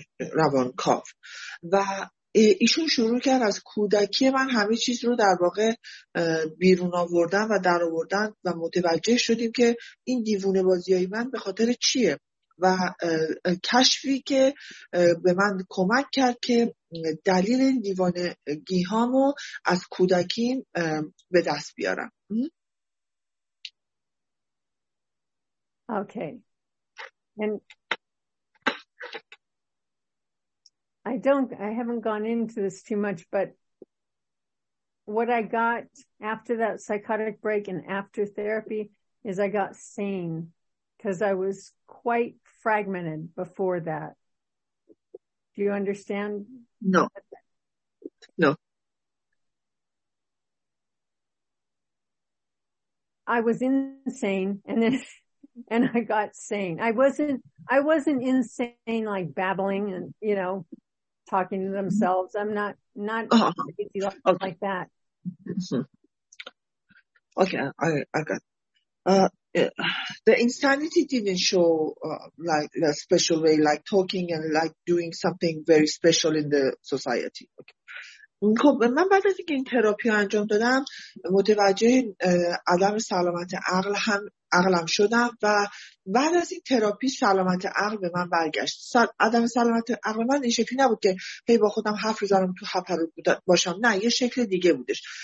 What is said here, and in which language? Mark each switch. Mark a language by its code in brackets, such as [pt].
[fa] روانکاو و ایشون شروع کرد از کودکی من همه چیز رو در واقع بیرون آوردن و در آوردن و متوجه شدیم که این دیوونه بازی های من به خاطر چیه و کشفی که به من کمک کرد که دلیل این دیوانگی هامو از کودکیم به دست بیارم. [en] Okay. And I haven't gone into this too much, but what I got after that psychotic break and after therapy is I got sane. Because I was quite fragmented before that. Do you understand? No. No. I was insane and I got sane. I wasn't insane like babbling and, you know, talking to themselves. I'm not crazy like that. Okay, I got the insanity didn't show like a special way, like talking and like doing something very special in the society. Okay. [fa] خب من بعد از اینکه این تراپی رو انجام دادم متوجه عدم سلامت عقلم شدم و بعد از این تراپی سلامت عقل به من برگشت. عدم سلامت عقل من این شکلی نبود که هی با خودم حرف بزنم تو حفره باشم، نه، یه شکل دیگه بودش.